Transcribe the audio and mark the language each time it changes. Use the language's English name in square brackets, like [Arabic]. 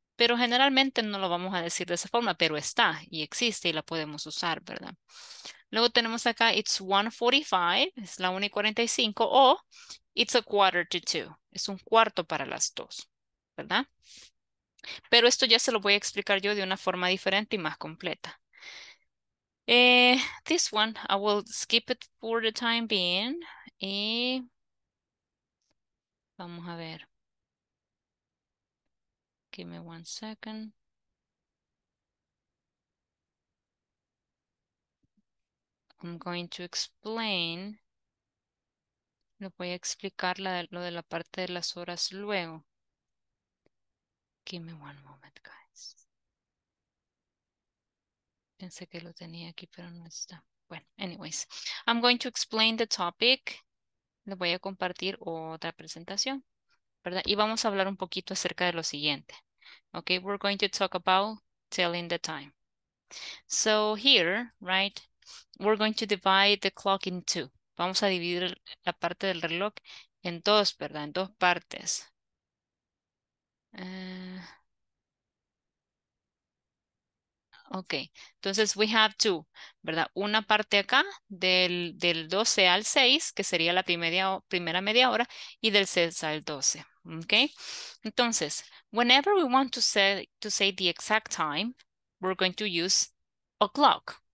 [Spanish] Pero generalmente no lo vamos a decir de esa forma, pero está y existe y la podemos usar, ¿verdad? Luego tenemos acá, [English] it's 1:45, [Spanish] es la 1:45, o it's 1:45, es un cuarto para las 2, ¿verdad? Pero esto ya se lo voy a explicar yo de una forma diferente y más completa. [English] This one, I will skip it for the time being. [Spanish] Y vamos a ver. [English] Give me 1 second. I'm going to explain. [Spanish] Lo voy a explicar la, lo de la parte de las horas luego. [English] Give me 1 moment, guys. [Spanish] Pensé que lo tenía aquí, pero no está. Bueno, anyways. [English] I'm going to explain the topic. [Spanish] Le voy a compartir otra presentación. ¿verdad? Y vamos a hablar un poquito acerca de lo siguiente. [English] Okay, we're going to talk about telling the time. So here, right, we're going to divide the clock in two. [Spanish] Vamos a dividir la parte del reloj en dos, ¿verdad? En dos partes. Okay, entonces [English] we have two, [Spanish] ¿verdad? Una parte acá del 12 al 6, que sería la primera media hora, y del 6 al 12, okay? [English] Entonces, whenever we want to say the exact time, we're going to use o'clock.